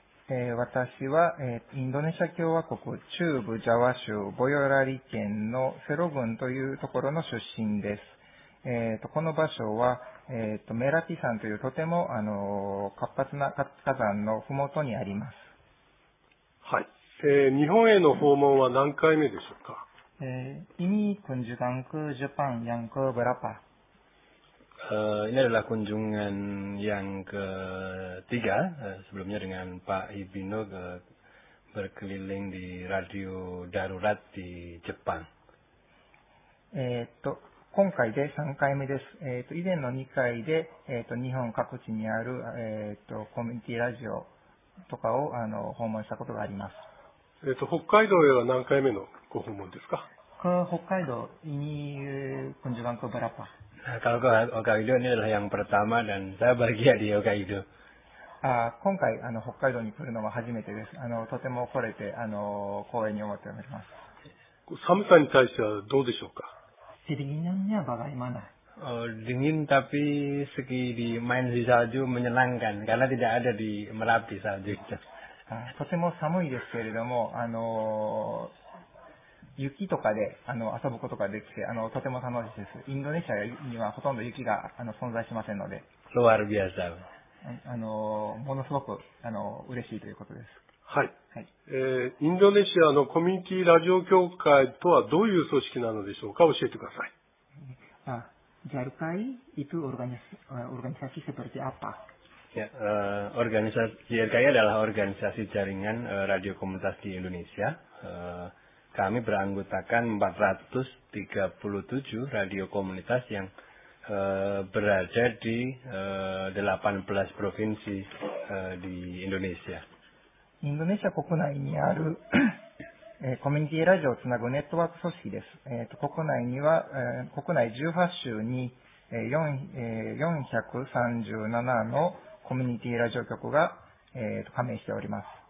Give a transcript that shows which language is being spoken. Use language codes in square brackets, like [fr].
[ja] Watashi wa Indonesia Kyowakoku Chubu Jawa Shu Boyolali Ken no Selo Gun というところの出身です。この場所はメラピ山というとても活発な火山のふもとにあります。はい。日本への訪問は何回目でしょうか。 [id] Ini kunjungan ke Jepang yang ke berapa? Ini adalah kunjungan yang ketiga, sebelumnya dengan Pak Hibino berkeliling di radio darurat di Jepang. [ja] 今回で3回目です。以前の2回で、日本各地にある、コミュニティラジオとかを訪問したことがあります。北海道へは何回目のご訪問ですか？北海道に [id] kunjungan ke berapa？ Kalau ke Hokkaido ini adalah yang pertama dan saya bahagia di Hokkaido. [ja] 今回北海道に来るのは初めてです。とても来れて光栄に思っております。寒さに対してはどうでしょうか？ [id] Dinginnya bagaimana? Dingin tapi segi di main di salju menyenangkan karena tidak ada di Merapi salju. [ja] とても寒いですけれども、雪とかで遊ぶことができてとても楽しいです。インドネシアにはほとんど雪が存在しませんので。 [id] Luar biasa. [ja] ものすごく嬉しいということです。はい、インドネシアのコミュニティラジオ協会とはどういう組織なのでしょうか、教えてください。 [id] JAL KAI itu organisasi seperti apa? JAL KAI adalah organisasi jaringan radio komunitas di Indonesia. Kami beranggotakan 437 radio komunitas yang berada di 18 provinsi di Indonesia. [ja] インドネシア国内にあるコミュニティラジオをつなぐネットワーク組織です。国内には、国内18州に437のコミュニティラジオ局が加盟しております。